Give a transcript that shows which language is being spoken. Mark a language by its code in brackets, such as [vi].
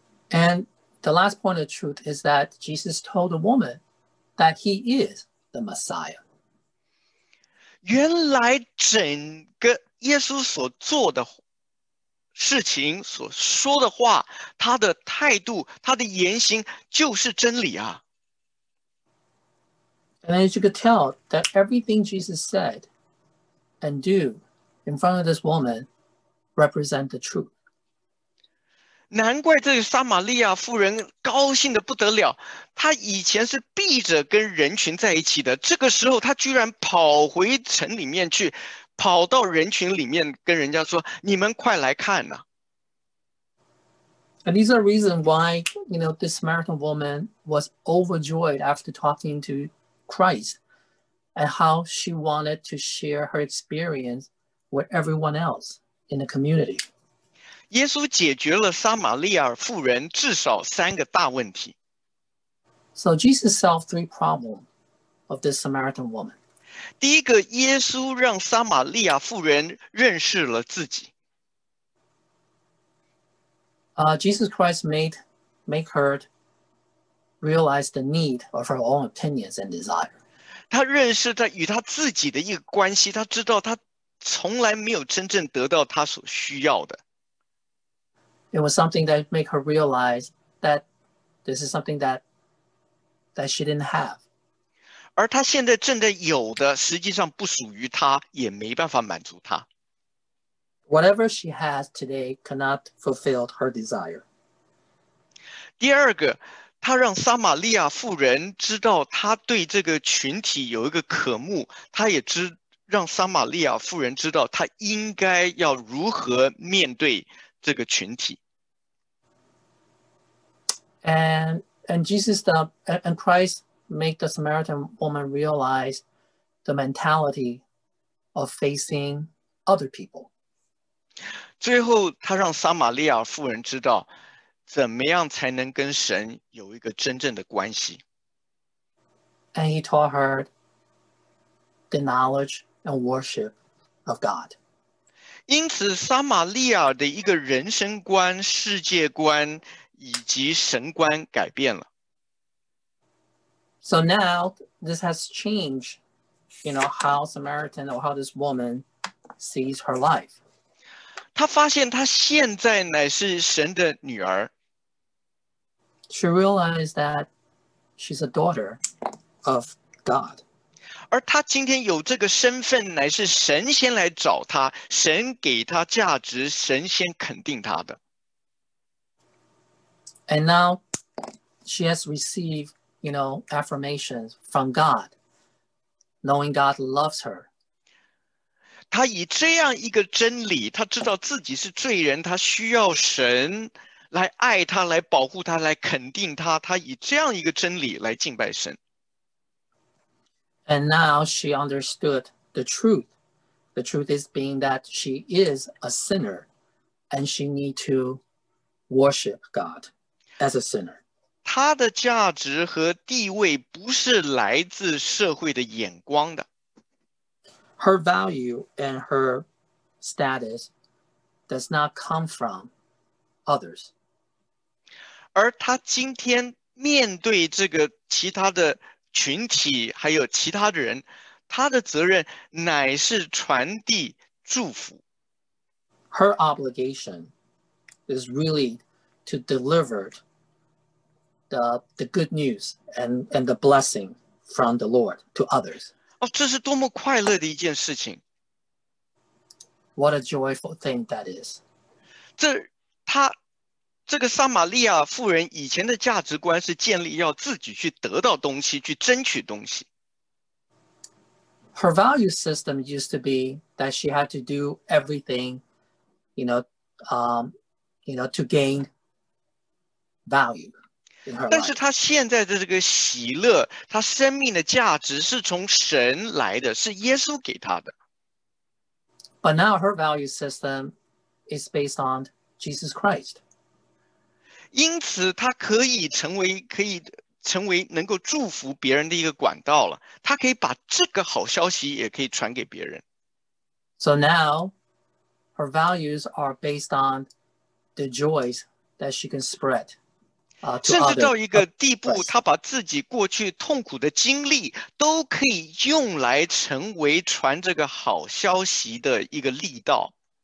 [en] And the last point of truth is that Jesus told the woman that he is the Messiah. [zh] 原来整个耶稣所做的事情、所说的话、他的态度、他的言行，就是真理啊。 [en] And as you could tell, that everything Jesus said and do in front of this woman represent the truth. [zh] 难怪这个撒玛利亚妇人高兴得不得了。她以前是避着跟人群在一起的，这个时候她居然跑回城里面去，跑到人群里面跟人家说：“你们快来看呐！” [en] And these are reasons why, this Samaritan woman was overjoyed after talking to Christ and how she wanted to share her experience with everyone else in the community. [zh] 耶稣解决了撒玛利亚妇人至少三个大问题。 [en] So Jesus solved three problems of this Samaritan woman. [zh] 第一个，耶稣让撒玛利亚妇人认识了自己。 [en] Jesus Christ make her realize the need of her own opinions and desires. [zh] 他认识他与他自己的一个关系，他知道他从来没有真正得到他所需要的。 [en] It was something that make her realize that this is something that she didn't have. [zh] 而他现在正在有的，实际上不属于他，也没办法满足他。 [en] Whatever she has today cannot fulfill her desire. [zh] 第二个，他让撒玛利亚妇人知道他对这个群体有一个渴慕，他也知让撒玛利亚妇人知道他应该要如何面对这个群体。 [en] And Christ make the Samaritan woman realize the mentality of facing other people. [zh] 最后，他让撒玛利亚妇人知道，怎么样才能跟神有一个真正的关系？ [en] And he taught her the knowledge and worship of God. [zh] 因此，撒玛利亚的一个人生观、世界观以及神观改变了。 [en] So now this has changed, how Samaritan or how this woman sees her life. [zh] 他发现他现在乃是神的女儿。 [en] She realized that she's a daughter of God. [zh] 而他今天有这个身份，乃是神先来找他，神给他价值，神先肯定他的。 [en] And now she has received affirmations from God, knowing God loves her. [zh] 他以这样一个真理，他知道自己是罪人，他需要神来爱他，来保护他，来肯定他，他以这样一个真理来敬拜神。 [en] And now she understood the truth. The truth is being that she is a sinner, and she need to worship God as a sinner. [zh] 她的价值和地位不是来自社会的眼光的。 [en] Her value and her status does not come from others. [zh] 而她今天面对这个其他的群体还有其他的人，她的责任乃是传递祝福。 [en] Her obligation is really to deliver the good news and the blessing from the Lord to others. [zh] 哦，这是多么快乐的一件事情。 [en] What a joyful thing that is. [zh] 这个撒玛利亚妇人以前的价值观是建立要自己去得到东西，去争取东西。 [en] Her value system used to be that she had to do everything, to gain value. [zh] 但是她现在的这个喜乐，她生命的价值是从神来的，是耶稣给她的。 [en] But now her value system is based on Jesus Christ. [zh] 因此她可以成为能够祝福别人的一个管道了，她可以把这个好消息也可以传给别人。 [en] So now, her values are based on the joys that she can spread. [zh] 甚至到一个地步，她把自己过去痛苦的经历都可以用来成为传这个好消息的一个力道。